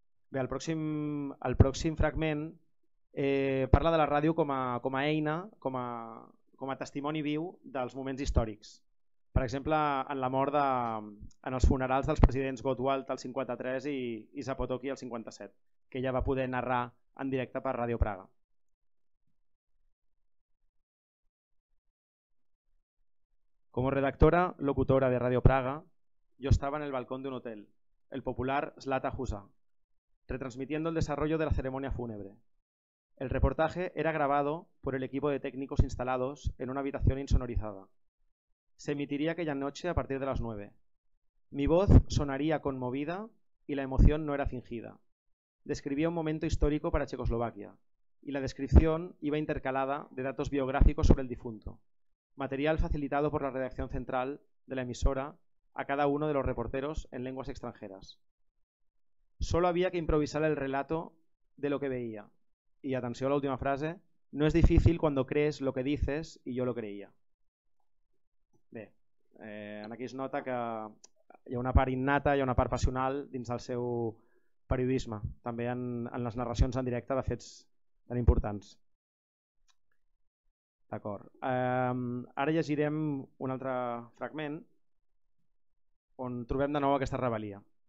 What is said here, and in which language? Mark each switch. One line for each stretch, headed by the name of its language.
Catalan: Bé, el pròxim fragment parla de la ràdio com a eina, com a testimoni viu dels moments històrics. Per exemple, en la mort en els funerals dels presidents Gottwald al 53 i Zapotocki al 57, que ella va poder narrar en directe per Radio Praga.
Spanish: Como redactora locutora de Radio Praga, yo estaba en el balcón de un hotel, el popular Zlata Husa, retransmitiendo el desarrollo de la ceremonia fúnebre. El reportaje era grabado por el equipo de técnicos instalados en una habitación insonorizada. Se emitiría aquella noche a partir de las 9. Mi voz sonaría conmovida y la emoción no era fingida. Describía un momento histórico para Checoslovaquia y la descripción iba intercalada de datos biográficos sobre el difunto. Material facilitado por la redacción central de la emisora a cada uno de los reporteros en lenguas extranjeras. Solo había que improvisar el relato de lo que veía. Y atención a la última frase, No es difícil cuando crees lo que dices y yo lo creía.
Catalan: Bé, aquí es nota que hi ha una part innata, hi ha una part passional dins del seu periodisme, també en les narracions en directe de fets tan importants. D'acord. Ara llegirem un altre fragment on trobem de nou aquesta rebel·lia.